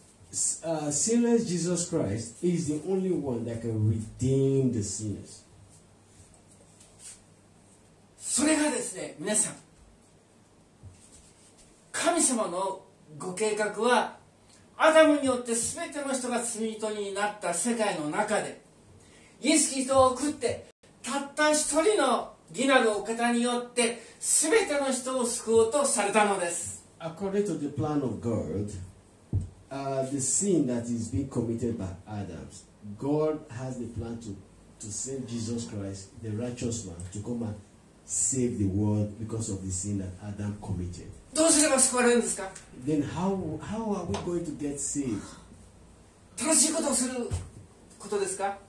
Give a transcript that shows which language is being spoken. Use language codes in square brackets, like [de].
[en] Sinless Jesus Christ is the only one that can redeem the sinners. [ja] それがですね、皆さん、神様のご計画はアダムによって全ての人が罪人になった世界の中でイエス・キリストを送ってたった一人の義なるお方によって全ての人を救おうとされたのです。 [en] According to the plan of God, the sin that is being committed by Adam, God has the plan to save Jesus Christ, the righteous man, to come and save the world because of the sin that Adam committed. [ja] どうすれば救われるんですか? [en] Then how are we going to get saved? [ja] 楽しいことをすることですか?